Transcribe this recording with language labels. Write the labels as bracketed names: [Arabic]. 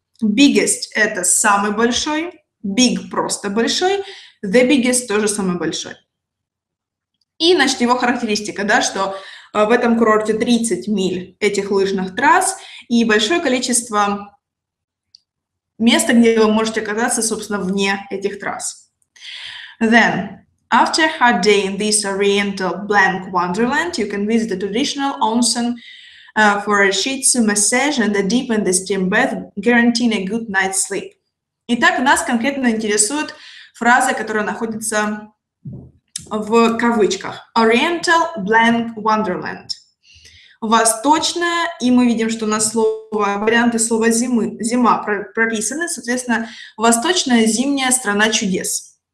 [Russian] «Biggest» – это «самый большой». Big – просто большой, the biggest – тоже самый большой. И, значит, его характеристика, да, что в этом курорте 30 миль этих лыжных трасс и большое количество места, где вы можете оказаться, собственно, вне этих трасс. [English] Then, after a hard day in this oriental blank wonderland, you can visit the traditional onsen for a shih tzu massage and a deep and a steam bath, guaranteeing a good night's sleep. [Russian] Итак, нас конкретно интересует фраза, которая находится в кавычках. [English] Oriental Blank Wonderland. [Russian] Восточная, и мы видим, что у нас слово, варианты слова зимы, зима прописаны, соответственно, восточная зимняя страна чудес.